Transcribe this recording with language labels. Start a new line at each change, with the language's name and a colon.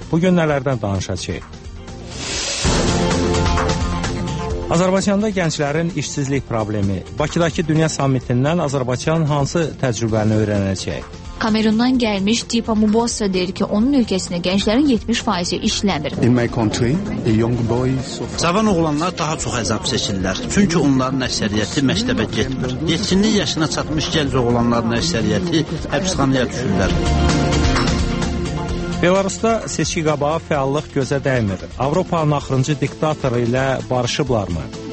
Azerbaijani: Bugün nələrdən danışacağıq? Azərbaycanda gənclərin işsizlik problemi. Bakıdakı Dünya Sammitindən Azərbaycan hansı təcrübəni öyrənəcək? Kamerundan gəlmiş Dipa Mubosa deyir ki, onun ölkəsində gənclərin 70% işləmir.
English: In my country, a young boy suffer.
Azerbaijani: Cavan oğlanlar daha çox əzab çəkirlər. Çünki onların əksəriyyəti məktəbə getmir. 7-ci yaşına çatmış gənc oğlanların əksəriyyəti həbsxanaya düşürlər. Belarusda seçki qabağı fəallıq gözə dəymir. Avropanın axırıncı diktatoru ilə barışıblarmı?